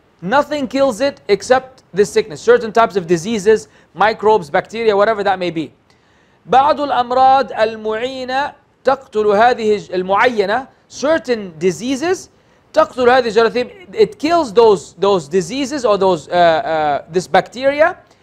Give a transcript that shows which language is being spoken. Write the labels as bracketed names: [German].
[English] Nothing kills it except this sickness. Certain types of diseases, microbes, bacteria, whatever that may be. [Arabic] بعض الأمراض المعينة تقتل هذه المعينة. [English] Certain diseases [Arabic] تقتل هذه الجراثيم. [English] It kills those diseases or those this bacteria.